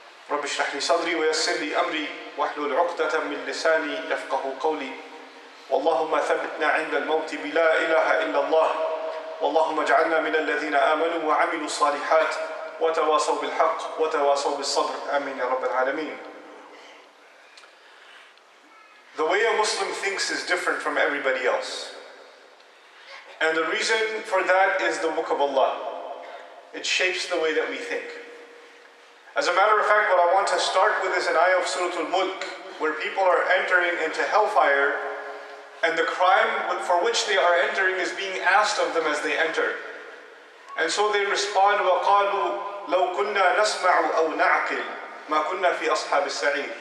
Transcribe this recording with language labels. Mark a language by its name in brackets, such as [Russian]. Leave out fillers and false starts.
[Arabic] رب اشرح لي صدري ويسر لي أمري واحلل عقدة من لساني يفقه قولي. واللهم ثبتنا عند الموت بلا إله إلا الله، واللهم اجعلنا من الذين آمنوا وعملوا الصالحات وتواصوا بالحق وتواصوا بالصبر. آمين يا رب العالمين. [English] The way a Muslim thinks is different from everybody else. And the reason for that is the book of Allah. It shapes the way that we think. As a matter of fact, what I want to start with is an ayah of Surah Al-Mulk, where people are entering into hellfire, and the crime for which they are entering is being asked of them as they enter. And so they respond, [Arabic] وَقَالُوا لَوْ كُنَّا نَسْمَعُ أَوْ نَعْقِلْ مَا كُنَّا فِي أَصْحَابِ السَّعِيدِ.